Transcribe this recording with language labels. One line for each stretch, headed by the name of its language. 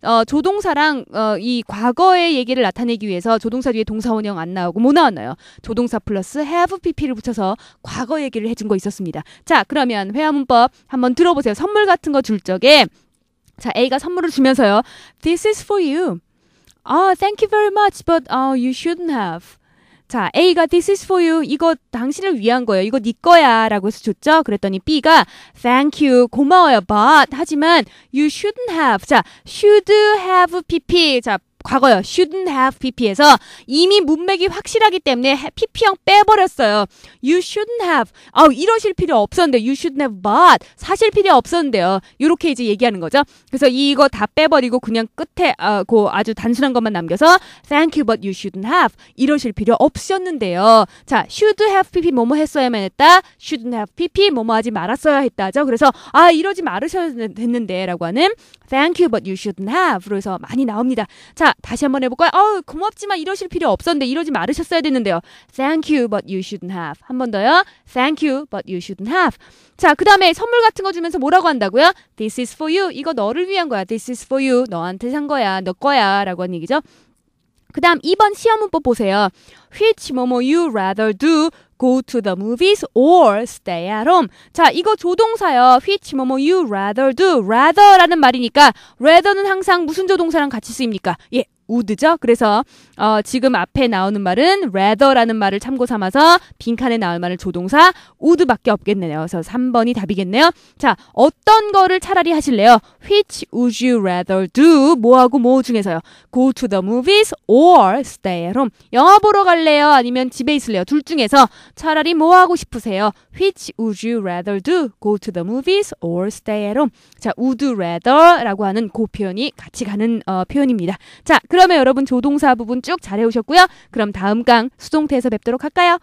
Korean: 조동사랑, 이 과거의 얘기를 나타내기 위해서 조동사 뒤에 동사원형 안 나오고 뭐 나왔나요? 조동사 플러스 have pp를 붙여서 과거 얘기를 해준 거 있었습니다. 자, 그러면 회화 문법 한번 들어보세요. 선물 같은 거 줄 적에 자, A가 선물을 주면서요.
English: This is for you. Oh, thank you very much, but you shouldn't have.
Korean: 자, A가
English: this is for you.
Korean: 이거 당신을 위한 거예요. 이거 네 거야라고 해서 줬죠. 그랬더니 B가
English: thank you.
Korean: 고마워요.
English: But
Korean: 하지만
English: you shouldn't have.
Korean: 자, should have pp. 자, 과거요. shouldn't have pp에서 이미 문맥이 확실하기 때문에 pp형 빼버렸어요.
English: You shouldn't have.
Korean: 이러실 필요 없었는데.
English: You shouldn't have but.
Korean: 사실 필요 없었는데요. 요렇게 이제 얘기하는 거죠. 그래서 이거 다 빼버리고 그냥 끝에 그 아주 단순한 것만 남겨서
English: thank you but you shouldn't have.
Korean: 이러실 필요 없었는데요. 자, should have pp 뭐뭐 했어야만 했다. shouldn't have pp 뭐뭐 하지 말았어야 했다죠. 그래서 아, 이러지 말으셔야 됐는데 라고 하는
English: thank you but you shouldn't have
Korean: 로 해서 많이 나옵니다. 자, 다시 한번 해볼까요? 고맙지만 이러실 필요 없었는데, 이러지 말으셨어야 됐는데요.
English: Thank you, but you shouldn't have.
Korean: 한 번 더요.
English: Thank you, but you shouldn't have.
Korean: 자, 그 다음에 선물 같은 거 주면서 뭐라고 한다고요?
English: This is for you.
Korean: 이거 너를 위한 거야. This is for you. 너한테 산 거야. 너 거야. 라고 하는 얘기죠. 그 다음 2번 시험 문법 보세요.
English: Which
Korean: 뭐뭐
English: you rather do? Go to the movies or stay at home.
Korean: 자, 이거 조동사요.
English: Which
Korean: 뭐뭐
English: you rather do.
Korean: Rather라는 말이니까 rather는 항상 무슨 조동사랑 같이 쓰입니까? 예, would죠. 그래서 지금 앞에 나오는 말은 rather라는 말을 참고 삼아서 빈칸에 나올 말을 조동사 would밖에 없겠네요. 그래서 3번이 답이겠네요. 자, 어떤 거를 차라리 하실래요?
English: Which would you rather do?
Korean: 뭐하고 뭐 중에서요?
English: Go to the movies or stay at home.
Korean: 영화 보러 갈래요? 아니면 집에 있을래요? 둘 중에서 차라리 뭐 하고 싶으세요?
English: Which would you rather do? Go to the movies or stay at home?
Korean: 자, would rather라고 하는 그 표현이 같이 가는 표현입니다. 자, 그러면 여러분 조동사 부분 쭉 잘해오셨고요. 그럼 다음 강 수동태에서 뵙도록 할까요?